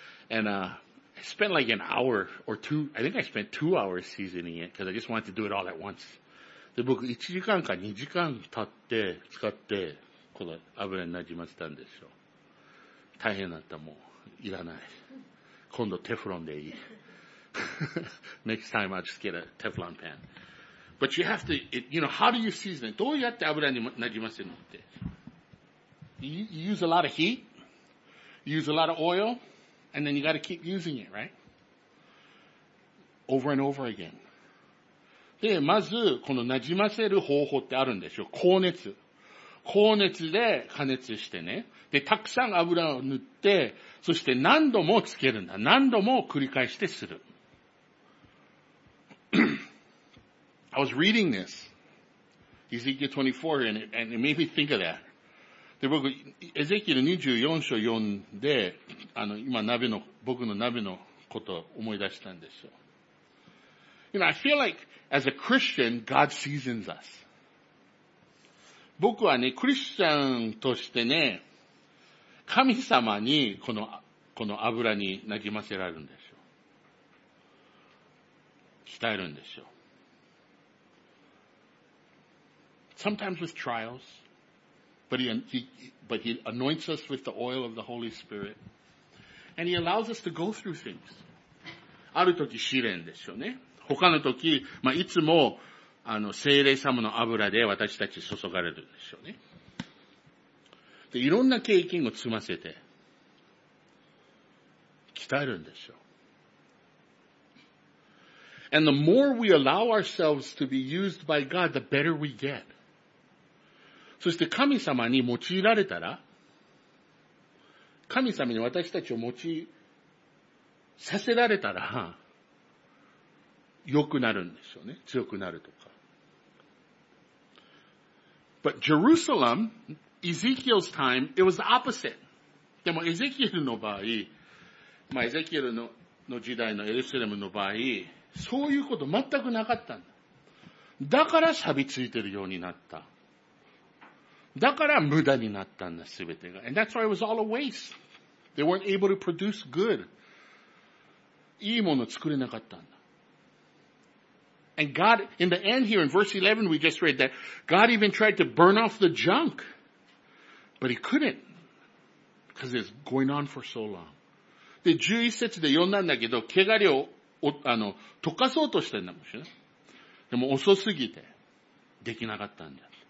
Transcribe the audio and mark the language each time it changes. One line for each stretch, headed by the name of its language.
English: And, I spent like an hour or two, I think I spent 2 hours seasoning it because I just wanted to do it all at once.
Japanese: で、僕1時間か2時間経って使ってこの油になじませたんですよ。大変だった、もういらない、今度テフロンでいい。
English: Next time I'll just get a Teflon pan. But you have to, it, you know, how do you season it?
Japanese: どうやって油になじませるのって。
English: You use a lot of heat, you use a lot of oil, and then you gotta keep using it, right? Over and over again.
Japanese: で、まず、このなじませる方法ってあるんでしょ。高熱。高熱で加熱してね。で、たくさん油を塗って、そして何度もつけるんだ。何度も繰り返してする。
English: I was reading this. Ezekiel 24, and it made me think of that.
Japanese: で、僕、エゼキエル24章読んで、今鍋の、僕の鍋のことを思い出したんですよ。
English: You know, I feel like, as a Christian, God seasons us.
Japanese: 僕はね、クリスチャンとしてね、神様にこの油になじませられるんですよ。鍛えるんですよ。
English: Sometimes with trials, but he anoints us with the oil of the Holy Spirit, and he allows us to go through things.
Japanese: ある時試練でしょうね。他の時、まあ、いつも、聖霊様の油で私たち注がれるんでしょうね。で、いろんな経験を積ませて、鍛えるんでしょう。
English: And the more we allow ourselves to be used by God, the better we get.
Japanese: そして神様に用いられたら、神様に私たちを用いさせられたら、良くなるんですよね。強くなるとか。
English: But Jerusalem, Ezekiel's time, it was the opposite.
Japanese: でもエゼキエルの場合、まあ、エゼキエルの時代のエルサレムの場合、そういうこと全くなかったんだ。だから錆びついてるようになった。だから無駄になったんだ、すべてが。
English: And that's why it was all a waste. They weren't able to produce good.
Japanese: いいもの作れなかったんだ。
English: And God, in the end here, in verse 11, we just read that God even tried to burn off the junk. But he couldn't. Because it's going on for so long.
Japanese: で、11節で読んだんだけど、汚れを、溶かそうとしてんだもんね。でも遅すぎて、できなかったんだ。